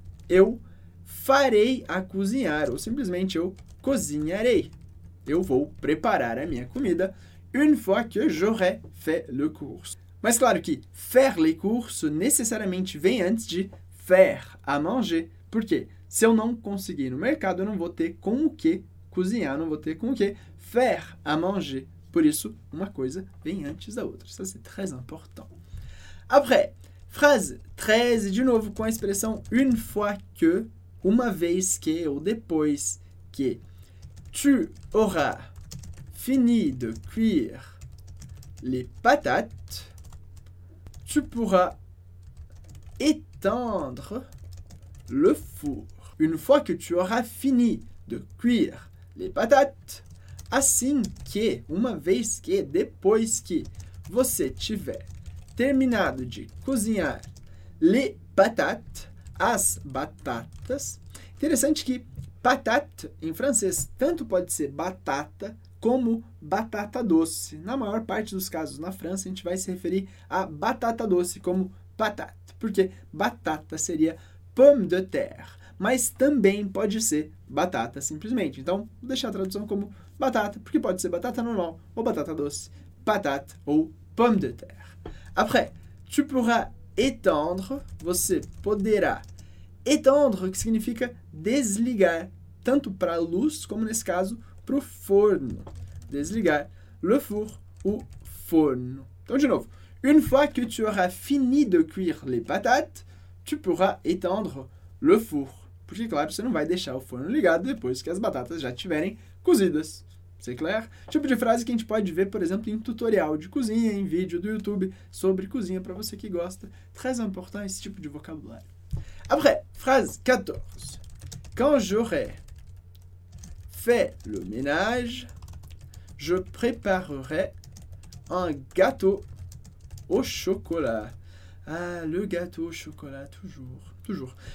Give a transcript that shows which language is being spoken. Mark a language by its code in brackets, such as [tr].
[pt] Eu farei a cozinhar, ou simplesmente eu cozinharei. Eu vou preparar a minha comida [fr] une fois que j'aurai fait le course. [pt] Mas claro que [fr] faire les courses [pt] necessariamente vem antes de [fr] faire à manger. [pt] Por quê? Se eu não conseguir no mercado, eu não vou ter com o que cozinhar, não vou ter com o que [fr] faire à manger. [pt] Por isso, uma coisa vem antes da outra. [fr] Ça, c'est très important. Après, phrase 13, [pt] de novo com a expressão [fr] une fois que, [pt] uma vez que ou depois que. [fr] Tu auras fini de cuire les patates, tu pourras éteindre le four. Une fois que tu auras fini de cuire les patates, [pt] assim que, uma vez que, depois que você tiver terminado de cozinhar [fr] les patates, [pt] as batatas. Interessante que patate, em francês, tanto pode ser batata como batata doce. Na maior parte dos casos na França, a gente vai se referir a batata doce como patate, porque batata seria pomme de terre, mas também pode ser batata simplesmente. Então, vou deixar a tradução como batata, porque pode ser batata normal ou batata doce, patate ou pomme de terre. [fr] Après, tu pourras étendre, [pt] você poderá. Étendre, que significa desligar, tanto para a luz, como nesse caso, para o forno. Desligar, le four, o forno. Então, de novo, [fr] une fois que tu auras fini de cuire les patates, tu pourras étendre le four. [pt] Porque, claro, você não vai deixar o forno ligado depois que as batatas já estiverem cozidas. [fr] C'est clair? [pt] Tipo de frase que a gente pode ver, por exemplo, em tutorial de cozinha, em vídeo do YouTube sobre cozinha, para você que gosta. [fr] Très important [pt] esse tipo de vocabulário. [fr] Après, phrase 14. Quand j'aurai fait le ménage, je préparerai un gâteau au chocolat. Ah, le gâteau au chocolat, toujours.